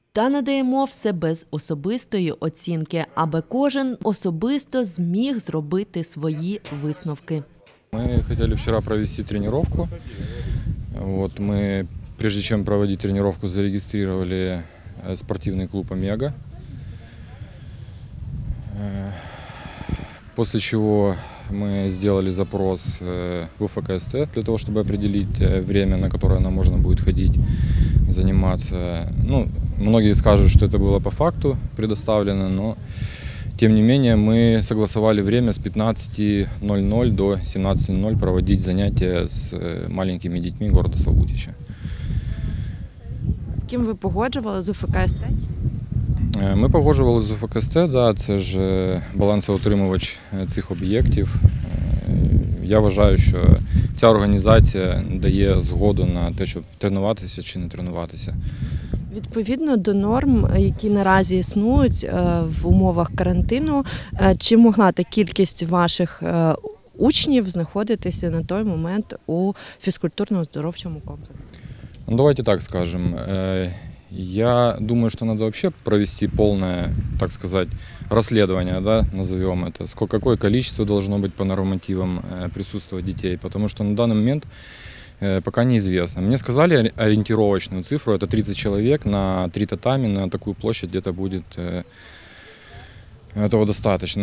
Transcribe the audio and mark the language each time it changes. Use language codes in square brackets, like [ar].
[uk] Та надаємо все без особистої оцінки, аби кожен особисто зміг зробити свої висновки. Ми хотіли вчора провести тренування. От ми, [ru] прежде [uk] чим проводити тренування, зареєстрували спортивний клуб «Омега». [ru] После чего мы сделали запрос в УФКСТ для того, чтобы определить время, на которое нам можно будет ходить, заниматься. Ну, многие скажут, что это было по факту предоставлено, но тем не менее мы согласовали время с 15:00 до 17:00 проводить занятия с маленькими детьми города Славутича. С кем вы [uk] погоджували [ru] з УФКСТ? [uk] Ми погоджували з УФКСТ, да, це ж балансоутримувач цих об'єктів. Я вважаю, що ця організація дає згоду на те, щоб тренуватися чи не тренуватися. Відповідно до норм, які наразі існують в умовах карантину, чи могла та кількість ваших учнів знаходитися на той момент у фізкультурно-оздоровчому комплексі? Давайте так скажемо. [ru] Я думаю, что надо вообще провести полное, так сказать, расследование, да, назовем это, сколько, какое количество должно быть по нормативам присутствовать детей, потому что на данный момент пока неизвестно. Мне сказали ориентировочную цифру, это 30 человек на 3 татами, на такую площадь где-то будет этого достаточно.